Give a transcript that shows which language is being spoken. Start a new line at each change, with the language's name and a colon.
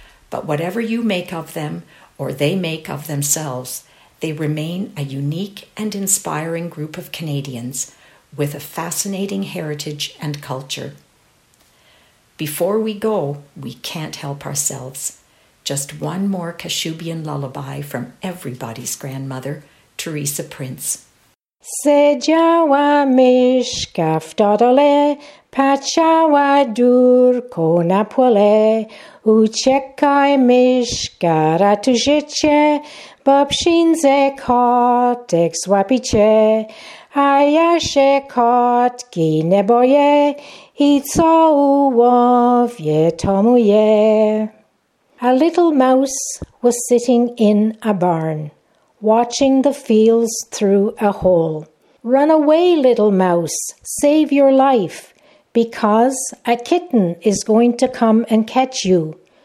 English: But whatever you make of them, or they make of themselves, they remain a unique and inspiring group of Canadians with a fascinating heritage and culture. Before we go, we can't help ourselves. Just one more Kashubian lullaby from everybody's grandmother, Theresa Prince.
Kashubian: Sedziała myszka w totole, patrzała durko na pole. Uciekaj myszka, ratujcie, bo przyjdzie kotek złapicie. A ja się kotki nie boję i co ułowię, to moje.
English: A little mouse was sitting in a barn, watching the fields through a hole. Run away, little mouse, save your life, because a kitten is going to come and catch you.